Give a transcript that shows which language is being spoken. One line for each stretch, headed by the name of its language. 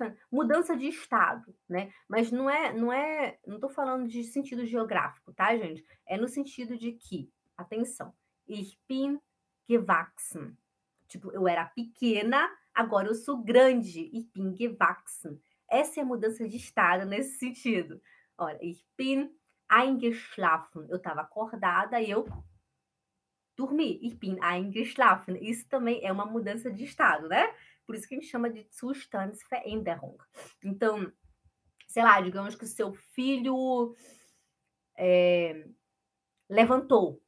Portuguese: Mudança de estado, né? Mas não tô falando de sentido geográfico, tá, gente? É no sentido de que, atenção,
German: ich bin gewachsen.
Portuguese: Tipo, eu era pequena, agora eu sou grande.
German: Ich bin gewachsen.
Portuguese: Essa é a mudança de estado nesse sentido.
German: Olha, ich bin eingeschlafen.
Portuguese: Eu tava acordada e eu dormi.
German: Ich bin eingeschlafen.
Portuguese: Isso também é uma mudança de estado, né? Por isso que a gente chama de Zustandsveränderung. Então, sei lá, digamos que o seu filho levantou.